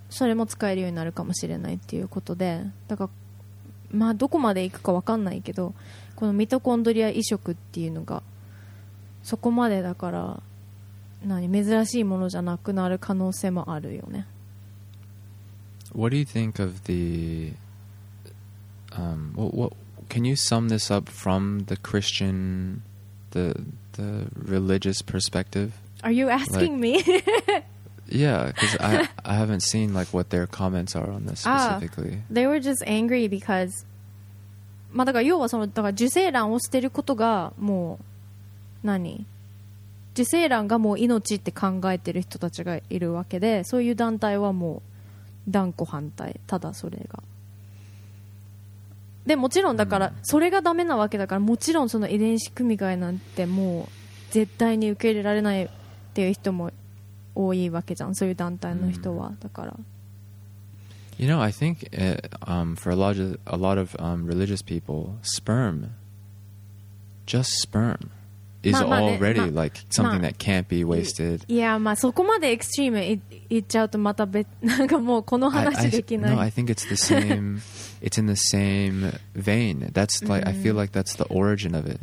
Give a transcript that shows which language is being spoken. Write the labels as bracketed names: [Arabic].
[Japanese] それも使えるようになるかもしれないっていうことで、だから、まあ、どこまでいくか分かんないけどこのミトコンドリア移植っていうのがそこまでだから何珍しいものじゃなくなる可能性もあるよね。 [English] What do you think of the what, can you sum this up from the Christian the religious perspective? Are you asking like, me? Yeah, because I haven't seen like what their comments are on this specifically. They were just angry because [Japanese] まあだから要はそのだから受精卵を捨てることがもう何受精卵がもう命って考えてる人たちがいるわけでそういう団体はもう断固反対ただそれがでもちろんだからそれがダメなわけだからもちろんその遺伝子組み換えなんてもう絶対に受け入れられないっていう人も多いわけじゃんそういう団体の人は、mm-hmm. だから [English] You know, I think it, for a lot of religious people sperm just sperm is まあ、まあね、already like something、まあ、that can't be wasted [Japanese] いやまあそこまでエクストリーム言っちゃうとまた別なんかもうこの話できない [English] No, I think it's the sameIt's in the same vein. That's like, I feel like that's the origin of it.